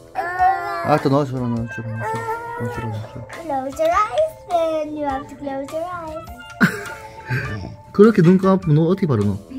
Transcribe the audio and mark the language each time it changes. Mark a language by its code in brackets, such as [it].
[ko] 알았어, 너 줘라, 너 줘라, 너 줘라, 너 줘라. [en] Close your eyes, then you have to close your eyes. [ko] 그렇게 눈 감으면 너 어떻게 바르노?